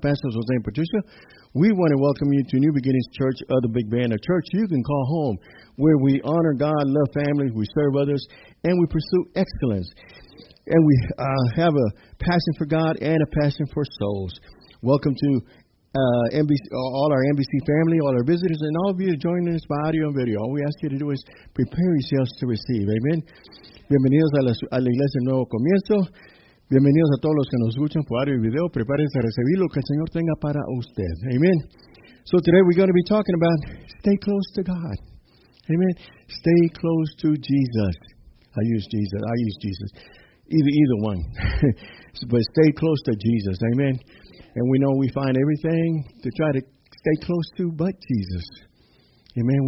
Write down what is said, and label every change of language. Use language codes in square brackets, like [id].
[en] Pastors Jose and Patricia, we want to welcome you to New Beginnings Church of the Big Band, a church you can call home, where we honor God, love family, we serve others, and we pursue excellence. And we have a passion for God and a passion for souls. Welcome to NBC, all our NBC family, all our visitors, and all of you joining us by audio and video. All we ask you to do is prepare yourselves to receive. Amen. [es] Bienvenidos a la Iglesia del Nuevo Comienzo. Bienvenidos a todos los que nos escuchan por audio y video. Prepárense a recibir lo que el Señor tenga para usted. [en] Amen. So today we're going to be talking about stay close to God. Amen. Stay close to Jesus. I use Jesus. Either one. But stay close to Jesus. Amen. And we know we find everything to try to stay close to but Jesus. Amen.